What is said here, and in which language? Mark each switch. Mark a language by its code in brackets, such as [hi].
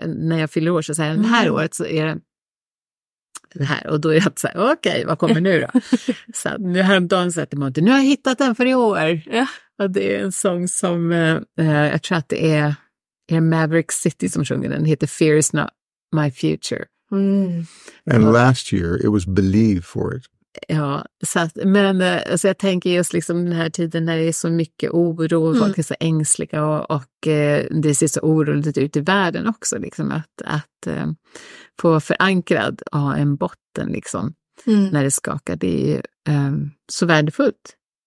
[sv] När jag fyller år så säger jag, det här året så är det det här. Och då är jag alltid såhär, okej, vad kommer nu då? Så nu häromdagen sätter man inte, nu har jag hittat den för i år. Ja. Och det är en sång som, jag tror att det är Maverick City som sjunger den. Den heter Fear is not my future. Mm. [en] And last year it was Believe for it. [sv] Ja, så att, men så jag tänker just liksom den här tiden när det är så mycket oro och folk är så ängsliga och det ser så oroligt ut i världen också liksom att få förankrad och ha en botten liksom när det skakar, det är ju så värdefullt.